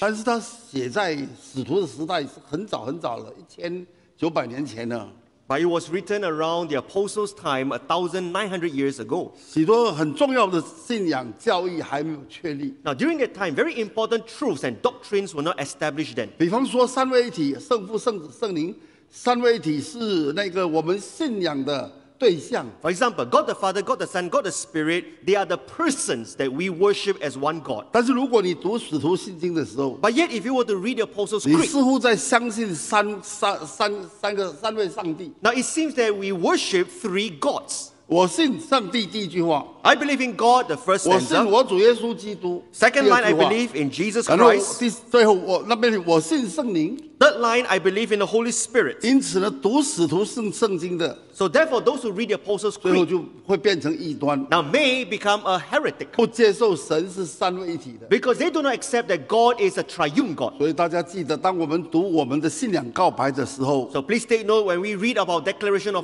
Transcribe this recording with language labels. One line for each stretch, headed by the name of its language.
English: But it was written around the Apostles' time 1,900 years ago. Now, during that time, very important truths and doctrines were not established then.
Chinese: 比方说三位一体, 圣父, 圣子, 圣灵, 三位一体是那个我们信仰的对象。
English: For example, God the Father, God the Son, God the Spirit, they are the persons that we worship as one God.
Chinese: 但是如果你读使徒信经的时候,
English: but yet, if you were to read the Apostles' Creed,
Chinese: 你似乎在相信三位上帝。
English: Now, it seems that we worship three gods.
Chinese: 我信上帝第一句话,
English: I believe in God, the first answer.
Chinese: 我信我主耶稣基督,
English: second line, I believe in Jesus Christ.
Chinese: 然后第四,最后我,那边我信圣灵,
English: third line, I believe in the Holy Spirit.
Chinese: 因此呢,读使徒圣经的,
English: so therefore, those who read the Apostles' Creed,
Chinese: 最后就会变成异端,
English: now may become a heretic.
Chinese: 不接受神是三位一体的,
English: because they do not accept that God is a triune God.
Chinese: 所以大家记得,当我们读我们的信仰告白的时候,
English: so please take note when we read about declaration of